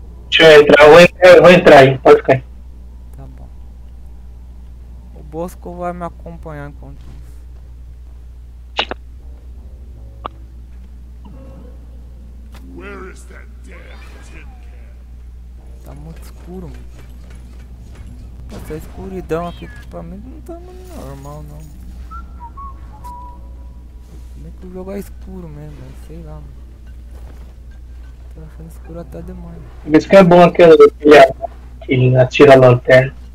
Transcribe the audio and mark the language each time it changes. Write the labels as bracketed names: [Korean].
[Portuguese] Deixa eu entrar, eu vou entrar aí, pode ficar. Tá bom. O Bosco vai me acompanhar enquanto isso. [English] Where is that damn tin can? [Portuguese] Tá muito escuro, mano. Essa escuridão aqui pra mim não tá muito normal, não. Como é que o jogo é escuro mesmo, né? Sei lá, mano. Tá achando escuro até demais. Isso que é bom aquele atira a lanterna.